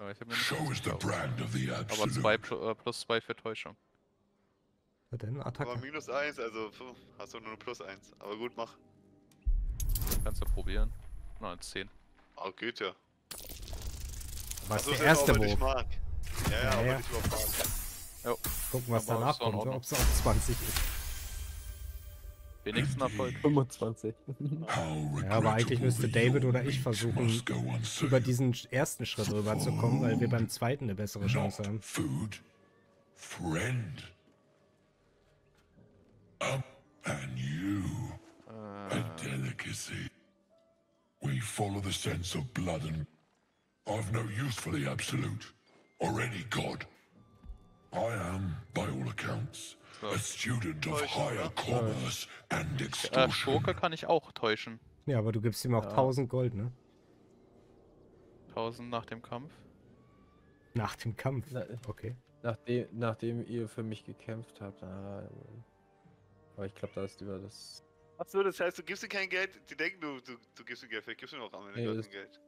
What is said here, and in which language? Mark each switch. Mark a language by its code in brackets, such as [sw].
[en] Show is the brand of the absolute. [de] Aber zwei, plus zwei für Täuschung. Na denn, Attacke. Aber minus eins, also hast du nur eine plus eins. Aber gut, mach. Kannst du probieren. Nein, 10. Oh, geht ja. Was ist der erste Wurf? Ja, aber ich mag. Jo. Gucken, was aber danach kommt, ob es auch 20 ist. Wenigstens Erfolg. 25. Ja, aber eigentlich müsste David oder ich versuchen, über diesen ersten Schritt rüber zu kommen, weil wir beim zweiten eine bessere Chance haben. [en] Food, friend. And you. A delicacy. We follow the sense of blood and I've no use for the absolute or any god. I am, by all accounts, so. A student of higher commerce and extortion. [de] Schurke kann ich auch täuschen. Ja, aber du gibst ihm auch 1000 Gold, ne? 1000 nach dem Kampf? Nach dem Kampf? Okay. Nachdem ihr für mich gekämpft habt. Aber ich glaube, da ist über das. Achso, das heißt, du gibst ihm kein Geld, die denken, du gibst ihm Geld, vielleicht gibst du ihm auch am Ende kein Geld.